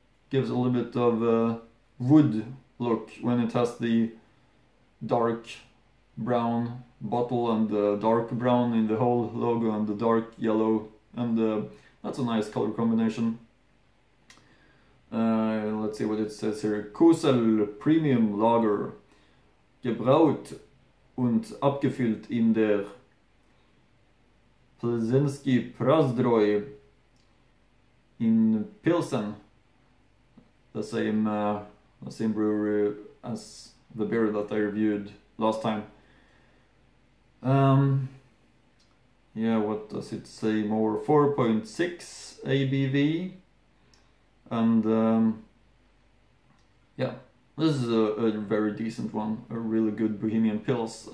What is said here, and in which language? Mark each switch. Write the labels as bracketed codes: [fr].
[en] Gives a little bit of a wood look when it has the dark brown bottle and the dark brown in the whole logo and the dark yellow, and that's a nice color combination. Let's see what it says here. [de] Kozel Premium Lager, gebraut und abgefüllt in der Plzeňský Prazdroj in Pilsen. [en] The same brewery as the beer that I reviewed last time. Yeah, what does it say more? 4.6 ABV, and yeah, this is a very decent one, a really good Bohemian Pils.